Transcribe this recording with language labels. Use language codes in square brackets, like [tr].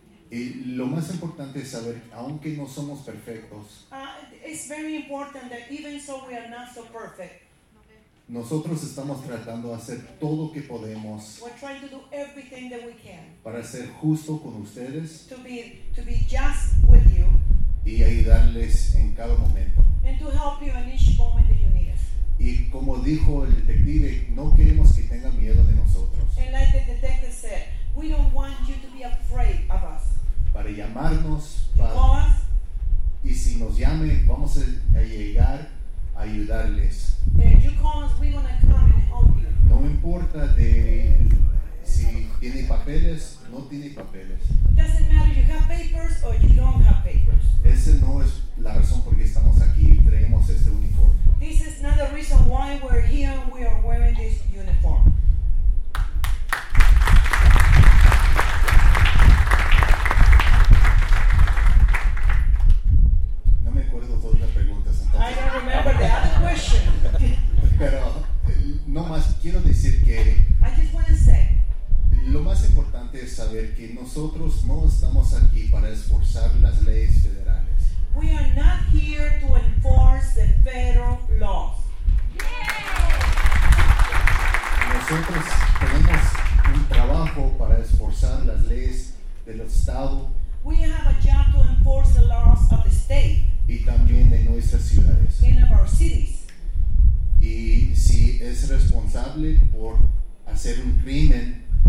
[es] Y lo más importante es saber, aunque no somos perfectos, [en] it's very important that even so we are not so perfect. [es] Nosotros estamos tratando de hacer todo lo que podemos. [en] We're trying to do everything that we can. [es] Para ser justo con ustedes. [en] To be just with you. [es] Y ayudarles en cada momento. [en] And to help you in each moment that you need us. [es] Y como dijo el detective, no queremos que tengan miedo de nosotros. [en] And like the detective said, we don't want you to be afraid of us. [es] Para llamarnos, [en] Call us. [es] Y si nos llame, vamos a llegar a ayudarles. [en] If you call us, we're going to come and help you. [es] No importa de si tiene papeles, no tiene papeles. [en] It doesn't matter if you have papers or you don't have papers. [es] Ese no es la razón por la que estamos aquí y traemos este uniforme. [en] This is not the reason why we're here and we are wearing this uniform. [es] No me acuerdo todas las preguntas. Entonces. [en] I don't remember the other question. [es] Pero no más, quiero decir que [en] I just want to say, [es] lo más importante es saber que nosotros no estamos aquí para esforzar las leyes federales. [en] We are not here to enforce the federal laws. Yeah. [es] Nosotros tenemos un trabajo para esforzar las leyes del estado. [en] We have a job to enforce the laws of the state. [es] Y también de nuestras ciudades. [en] And of our cities. [es] Y si es responsable por hacer un crimen.